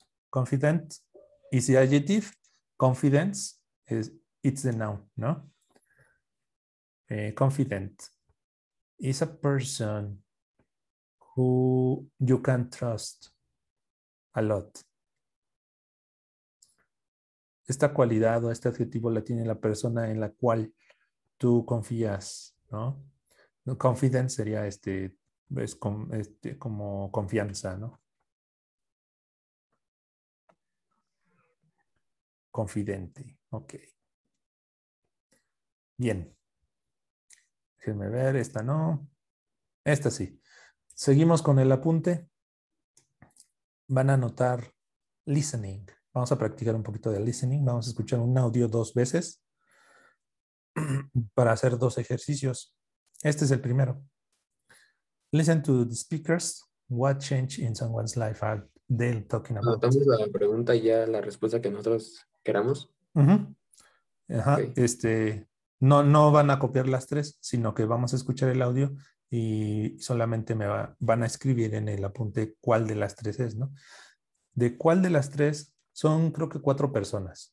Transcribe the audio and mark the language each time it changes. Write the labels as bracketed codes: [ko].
[en] Confident is the adjective. Confidence is it's the noun, ¿no? Confident. Is a person who you can trust a lot. [es] Esta cualidad o este adjetivo la tiene la persona en la cual tú confías, ¿no? Confidence sería como confianza, ¿no? Confidente, ok. Bien. Déjenme ver, esta no. Esta sí. Seguimos con el apunte. Van a anotar listening. Vamos a practicar un poquito de listening. Vamos a escuchar un audio dos veces para hacer dos ejercicios. Este es el primero. [en] Listen to the speakers. What change in someone's life are they talking about? [es] ¿Notamos la pregunta y ya la respuesta que nosotros queramos? Uh-huh. Ajá. Okay. No van a copiar las tres, sino que vamos a escuchar el audio y solamente van a escribir en el apunte cuál de las tres es, ¿no? De cuál de las tres son, creo que cuatro personas.